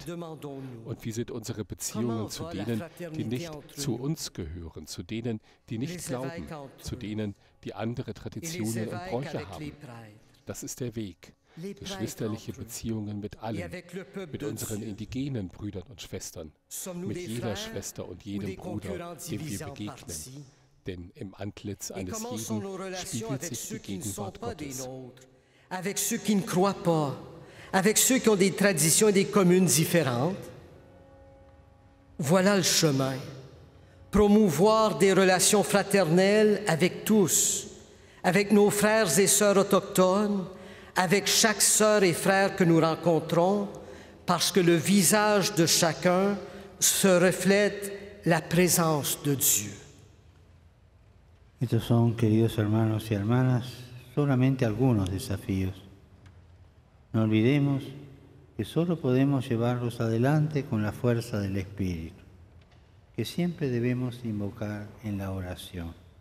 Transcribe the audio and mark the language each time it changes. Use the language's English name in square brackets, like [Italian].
[German] Und wie sind unsere Beziehungen zu denen, die nicht zu uns gehören, zu denen, die nicht glauben, zu denen, die andere Traditionen und Bräuche haben? Das ist der Weg. Geschwisterliche Beziehungen mit allen, mit unseren indigenen Brüdern und Schwestern, mit jeder Schwester und jedem Bruder, dem wir begegnen. Denn im Antlitz eines jeden spiegelt sich die Gegenwart Gottes. [French] Avec ceux qui ne croient pas, avec ceux qui ont des traditions et des communes différentes. Voilà le chemin. Promouvoir des relations fraternelles avec tous, avec nos frères et sœurs autochtones, avec chaque sœur et frère que nous rencontrons, parce que le visage de chacun se reflète la présence de Dieu. [Spanish] Estos son, queridos hermanos y hermanas, solamente algunos desafíos. No olvidemos que solo podemos llevarlos adelante con la fuerza del Espíritu, que siempre debemos invocar en la oración.